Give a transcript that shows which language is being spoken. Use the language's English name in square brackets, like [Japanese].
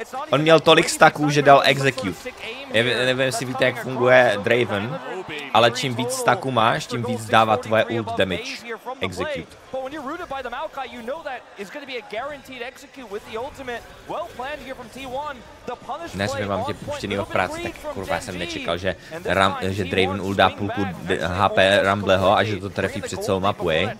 [Czech] On měl tolik staků, že dal execute. Já nevím, jestli víte, jak funguje Draven, ale čím víc staků máš, tím víc dává tvoje ult damage. [English] Execute. But when you're rooted by the Maokai, you know that it's going to be a guaranteed execute with the ultimate. Well planned here from T1. The punish play. [Czech] Dnes mám tě puštěnýho v práci, tak kurva jsem nečekal, že Ram, že Draven ulda půlku HP Rumbleho a že to trefí před celou mapu.